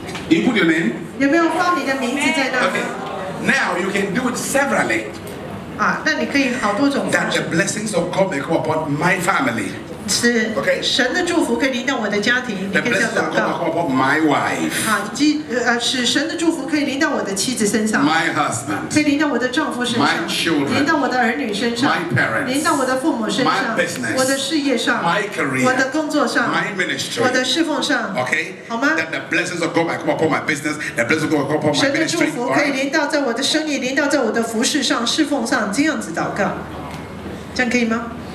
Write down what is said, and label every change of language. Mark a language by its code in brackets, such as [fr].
[en] You put your name. [zh] 有没有放你的名字在那 [en] ？Okay. Now you can do it severally. [zh] 那你可以好多种。 [en] That the blessings of God may come upon my family. [zh] 是。 [en] Okay. [zh] 神的祝福可以临到我的家庭。 [en] The blessings of God may come upon my wife. [zh] 使神的祝福可以临到我的妻子身上。 [en] My husband. [zh] 可以临到我的丈夫身上。 [en] My children. [zh] 临到我的儿女身上。 [en] My parents. [zh] 临到我的父母身上。 [en] My business. [zh] 我的事业上。 [en] My career. [zh] 我的工作上。 [en] My ministry. [zh] 我的侍奉上。 [en] Okay. [zh] 好吗 [en] ？That the blessings of God may come upon my business. The blessings of God may come upon my ministry. [zh] 神的祝福可以临到在我的生意，临到在我的服事上、侍奉上。这样子祷告，这样可以吗